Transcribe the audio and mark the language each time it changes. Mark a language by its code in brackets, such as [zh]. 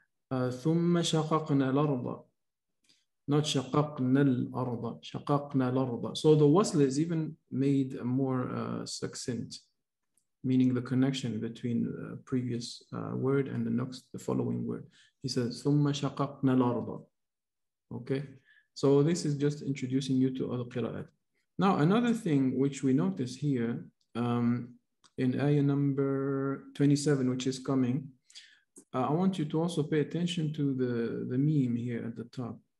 [ar] ثُمَّ شَقَقْنَا الْأَرْضَ [en] not [ar] شَقَقْنَا الْأَرْضَ شَقَقْنَا الْأَرْضَ. [en] So the wasl is even made more succinct, meaning the connection between the previous word and the following word. He says [ar] ثُمَّ شَقَقْنَا الْأَرْضَ. [en] Okay, so this is just introducing you to other qira'at. Now another thing which we notice here in ayah number 27, which is coming, I want you to also pay attention to the meme here at the top.